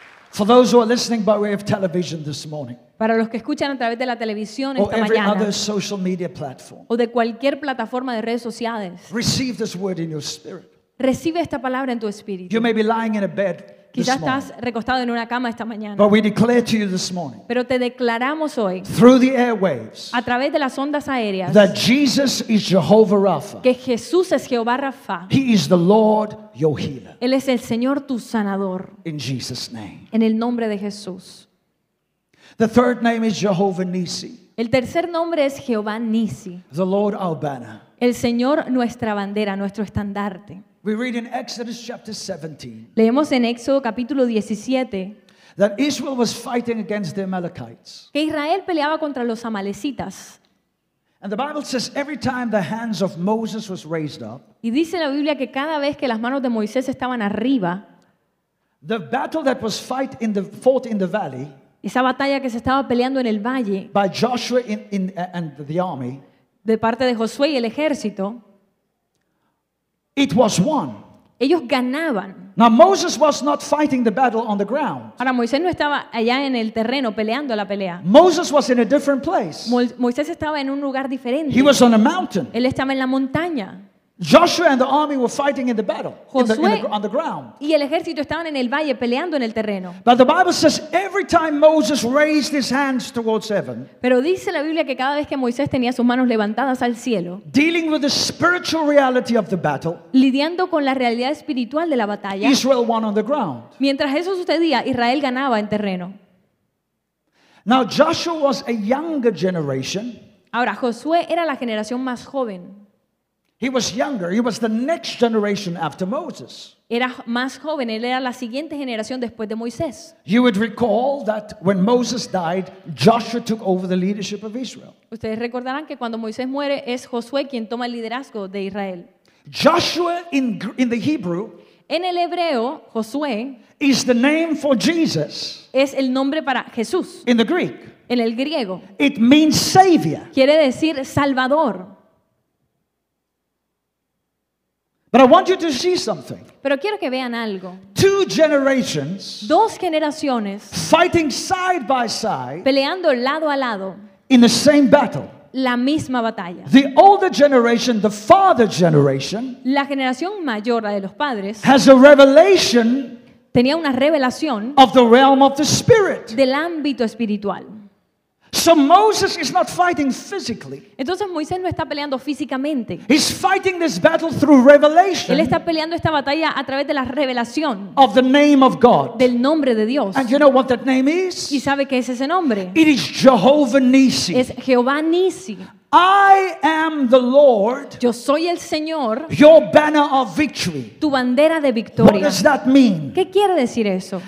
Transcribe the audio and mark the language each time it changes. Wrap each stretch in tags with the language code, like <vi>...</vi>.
<en>For those who are listening by way of television this morning,</en> <es>para los que escuchan a través de la televisión esta mañana,</es> <en>or every</en> <es>mañana,</es> <en>other social media platform,</en> <es>o de cualquier plataforma de redes sociales,</es> <en>receive this word in your spirit.</en> <es>Recibe esta palabra en tu espíritu.</es> <en>You may be lying in a bed.</en> <es>Quizás estás recostado en una cama esta mañana.</es> <en>But we declare to you this morning,</en> <es>pero te declaramos hoy,</es> <en>through the airwaves,</en> <es>a través de las ondas aéreas,</es> <en>that Jesus is Jehovah Rapha.</en> <es>Que Jesús es Jehová Rapha.</es> <en>He is the Lord, your healer.</en> <es>Él es el Señor, tu sanador.</es> <en>In Jesus' name.</en> <es>En el nombre de Jesús.</es> <en>The third name is Jehovah Nissi.</en> <es>El tercer nombre es Jehová Nissi.</es> <en>The Lord, our banner.</en> <es>El Señor, nuestra bandera, nuestro estandarte.</es> <en>We read in Exodus chapter 17.</en> <es>Leemos en Éxodo capítulo 17.</es> <en>That Israel was fighting against the Amalekites.</en> <es>Que Israel peleaba contra los amalecitas.</es> <en>And the Bible says every time the hands of Moses was raised up.</en> <es>Y dice la Biblia que cada vez que las manos de Moisés estaban arriba.</es> <en>The battle that was fought in the valley.</en> <es>Esa batalla que se estaba peleando en el valle.</es> <en>By Joshua and the army.</en> <es>De parte de Josué y el ejército.</es> <en>It was won.</en> <es>Ellos ganaban.</es> <en>Now Moses was not fighting the battle on the ground.</en> <es>Ahora Moisés no estaba allá en el terreno peleando la pelea.</es> <en>Moses was in a different place.</en> <es>Moisés estaba en un lugar diferente.</es> <en>He was on a mountain.</en> <es>Él estaba en la montaña.</es> <en>Joshua and the army were fighting in the battle.</en> <es>Josué</es> <en>on the ground.</en> <es>Y el ejército estaban en el valle peleando en el terreno.</es> <en>But the Bible says every time Moses raised his hands towards heaven.</en> <es>Pero dice la Biblia que cada vez que Moisés tenía sus manos levantadas al cielo.</es> <en>Dealing with the spiritual reality of the battle.</en> <es>Lidiando con la realidad espiritual de la batalla.</es> <en>Israel won on the ground.</en> <es>Mientras eso sucedía, Israel ganaba en terreno.</es> <en>Now Joshua was a younger generation.</en> <es>Ahora Josué era la generación más joven.</es> <en>He was younger. He was the next generation after Moses.</en> <es>Era más joven. Él era la siguiente generación después de Moisés.</es> <en>You would recall that when Moses died, Joshua took over the leadership of Israel.</en> <es>Ustedes recordarán que cuando Moisés muere es Josué quien toma el liderazgo de Israel.</es> <en>Joshua in the Hebrew.</en> <es>En el hebreo, Josué.</es> <en>Is the name for Jesus.</en> <es>Es el nombre para Jesús.</es> <en>In the Greek.</en> <es>En el griego.</es> <en>It means savior.</en> <es>Quiere decir salvador.</es> <en>But I want you to see something.</en> <es>Pero quiero que vean algo.</es> <en>Two generations.</en> <es>Dos generaciones.</es> <en>Fighting side by side.</en> <es>Peleando lado a lado.</es> <en>In the same battle.</en> <es>La misma batalla.</es> <en>The older generation, the father generation.</en> <es>La generación mayor, la de los padres.</es> <en>Has a revelation.</en> <es>Tenía una revelación.</es> <en>Of the realm of the spirit.</en> <es>Del ámbito espiritual.</es> <en>So Moses is not fighting physically.</en> <es>Entonces Moisés no está peleando físicamente.</es> <en>He's fighting this battle through revelation.</en> <es>Él está peleando esta batalla a través de la revelación.</es> <en>Of the name of God.</en> <es>Del nombre de Dios.</es> <en>And you know what that name is?</en> <es>¿Y sabe qué es ese nombre?</es> <en>It is Jehovah Nissi.</en> <es>Es Jehová Nissi.</es> <en>I am the Lord.</en> <es>Yo soy el Señor.</es> <en>Your banner of victory.</en> <es>Tu bandera de victoria.</es> <en>What does that mean?</en> <es>¿Qué quiere decir eso?</es>